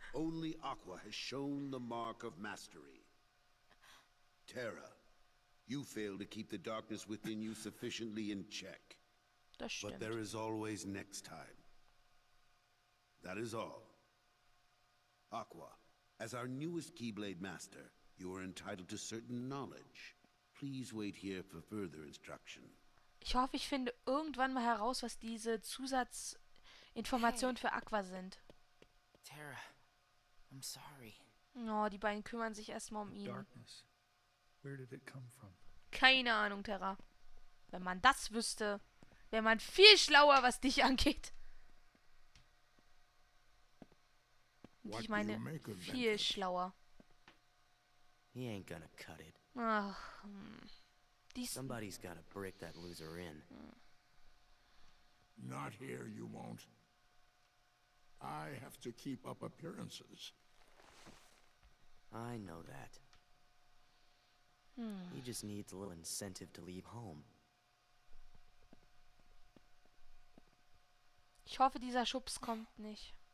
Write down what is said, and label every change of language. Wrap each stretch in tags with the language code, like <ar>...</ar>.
<en>Only Aqua has shown the mark of mastery. Terra, you fail to keep the darkness within you sufficiently in check.</en> <de>Das stimmt.</de> <en>But there is always next time. That is all. Aqua, as our newest Keyblade Master, you are entitled to certain knowledge. Please wait here for further instruction.</en> <de>Ich hoffe, ich finde irgendwann mal heraus, was diese Zusatzinformationen für Aqua sind.</de> <en>Terra, I'm sorry.</en> <de>Oh, die beiden kümmern sich erstmal um ihn.</de> <en>Darkness. Where did it come from?</en> <de>Keine Ahnung, Terra. Wenn man das wüsste, wäre man viel schlauer, was dich angeht. Und ich meine, viel schlauer.</de> <en>He ain't gonna cut it.</en> <de>Ach,</de> <en>Somebody's gotta break that loser in. Not here, you won't. I have to keep up appearances. I know that. He just needs a little incentive to leave home.</en> <de>Ich hoffe, dieser Schubs kommt nicht.</de>